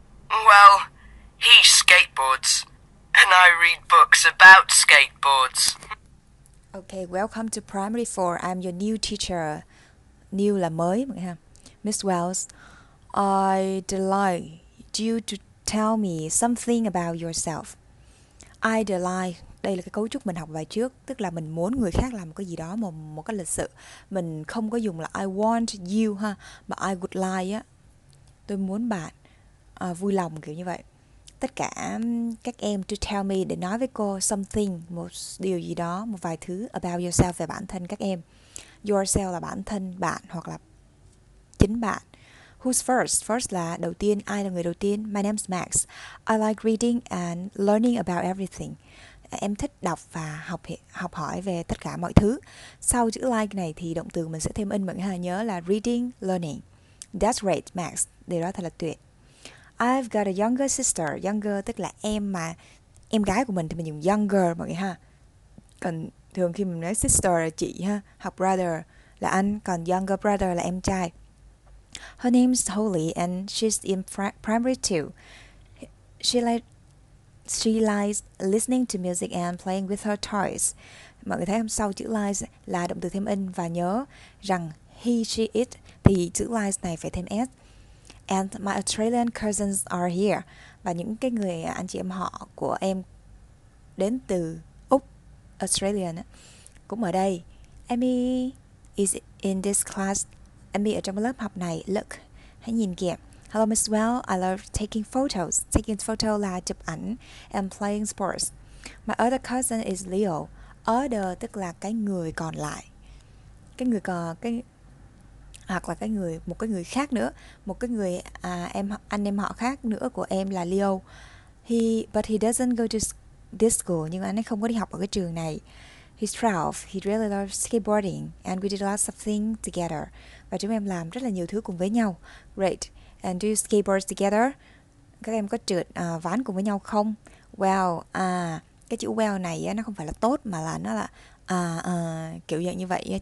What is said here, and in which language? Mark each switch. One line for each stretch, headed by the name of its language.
English: Well, he skateboards, and I read books about skateboards. Okay, welcome to Primary 4. I'm your new teacher. New
Vietnamese: là mới,
English: Miss Wells. I'd like you to tell me something about yourself.
Vietnamese: I'd like, đây là cái cấu trúc mình học bài trước, tức là mình muốn người khác làm cái gì đó, một cái lịch sự. Mình không có dùng là
English: I want you
Vietnamese: ha, mà
English: I would like
Vietnamese: á. Tôi muốn bạn vui lòng kiểu như vậy. Tất cả các em
English: to tell me,
Vietnamese: để nói với cô something, một điều gì đó, một vài thứ
English: about yourself,
Vietnamese: về bản thân các em. Yourself là bản thân bạn hoặc là chính bạn.
English: Who's first?
Vietnamese: First là đầu tiên, ai là người đầu tiên?
English: My name's Max. I like reading and learning about everything.
Vietnamese: Em thích đọc và học hỏi về tất cả mọi thứ. Sau chữ like này thì động từ mình sẽ thêm in, mọi người nhớ là reading, learning.
English: That's right,
Vietnamese: Max. Điều đó thật là tuyệt.
English: I've got a younger sister.
Vietnamese: Younger tức là em mà em gái của mình thì mình dùng younger mọi người ha. Còn thường khi mình nói sister là chị ha, hoặc brother là anh, còn younger brother là em trai.
English: Her name's Holly and she's in primary 2. She likes listening to music and playing with her toys.
Vietnamese: Mọi người thấy không, sau chữ likes là động từ thêm in, và nhớ rằng he, she, it thì chữ likes này phải thêm s.
English: And my Australian cousins are here.
Vietnamese: Và những cái người anh chị em họ của em đến từ Úc, Australian cũng ở đây. Amy
English: is in this class.
Vietnamese: Em bị ở trong lớp học này. Look, hãy nhìn kìa.
English: Hello, Miss Well. I love taking photos. Taking photo
Vietnamese: là chụp ảnh.
English: And playing sports. My other cousin is Leo.
Vietnamese: Other tức là cái người còn lại. Cái người còn, cái, hoặc là cái người, một cái người khác nữa. Một cái người à, em, anh em họ khác nữa của em là Leo.
English: But he doesn't go to this school.
Vietnamese: Nhưng anh ấy không có đi học ở cái trường này.
English: He's 12. He really loves skateboarding. And we did lots of things together.
Vietnamese: Và chúng em làm rất là nhiều thứ cùng với nhau.
English: Great. And do you skateboard together?
Vietnamese: Các em có trượt ván cùng với nhau không? Well, cái chữ well này nó không phải là tốt mà là nó là kiểu dạng như vậy.